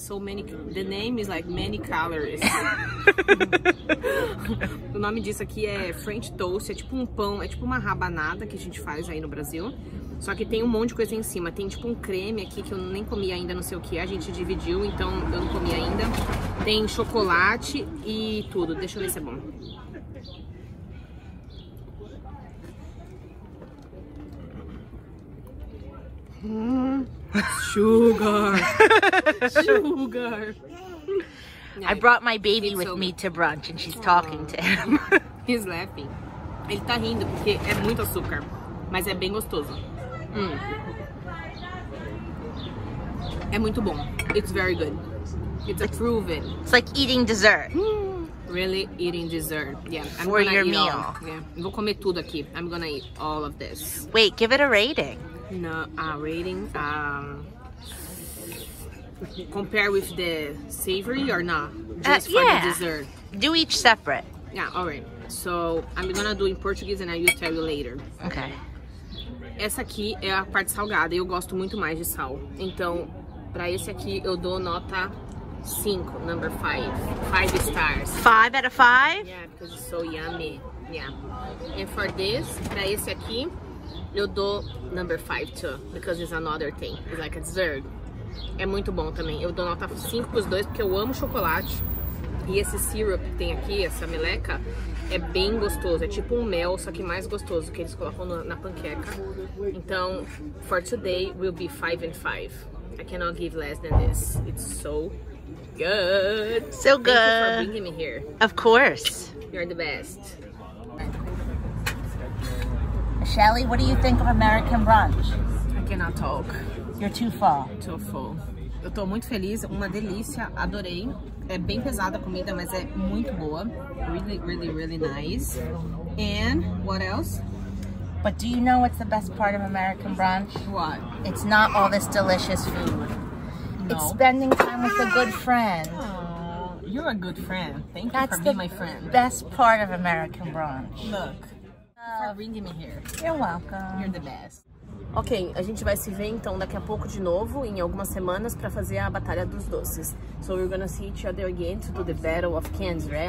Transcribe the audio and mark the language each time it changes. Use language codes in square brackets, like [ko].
[en] So many, the name is like many calories. [pt] O nome disso aqui é French toast, é tipo um pão, é tipo uma rabanada que a gente faz aí no Brasil. Só que tem um monte de coisa em cima. Tem tipo um creme aqui que eu nem comi ainda, não sei o que é. A gente dividiu, então eu não comi ainda. Tem chocolate e tudo. Deixa eu ver se é bom. [en] Sugar. Sugar. I brought my baby with me to brunch and she's talking to him. He's laughing. [pt] Ele tá rindo porque é muito açúcar, mas é bem gostoso. É muito bom. [en] It's very good. It's approved. It's like eating dessert. Really eating dessert. Yeah. For your meal. All. Yeah. [pt] Vou comer tudo aqui. [en] I'm gonna eat all of this. Wait, give it a rating. No, rating. Compare with the savory or not? Just for the dessert. Do each separate. Yeah, alright. So I'm gonna do in Portuguese and I will tell you later. Okay. [pt] Essa aqui é a parte salgada e eu gosto muito mais de sal. Então, pra esse aqui eu dou nota 5, [en] number 5. 5 stars. 5 out of 5? Yeah, because it's so yummy. Yeah. And for this, [pt] pra esse aqui, eu dou [en] number 5 too. Because it's another thing. It's like a dessert. [pt] É muito bom também. Eu dou nota 5 pros dois porque eu amo chocolate. E esse syrup que tem aqui, essa meleca, é bem gostoso. É tipo um mel, só que mais gostoso, que eles colocam na panqueca. [en] Então, for today, will be 5 and 5. I cannot give less than this. It's so good. So good. Thank you for bringing me here. Of course. You're the best. Shelly, what do you think of American brunch? I cannot talk. You're too full. Too full. [pt] Eu tô muito feliz, uma delícia, adorei. É bem pesada a comida, mas é muito boa. [en] Really, really, really nice. And what else? But do you know what's the best part of American brunch? What? It's not all this delicious food. No. It's spending time with a good friend. Aww, you're a good friend. Thank That's you for being my friend. That's the best part of American brunch. Look, for bringing me here. You're welcome. You're the best. [pt] Ok, a gente vai se ver então daqui a pouco de novo, em algumas semanas, para fazer a batalha dos doces. [en] So we're gonna see each other again to do the battle of candy, right?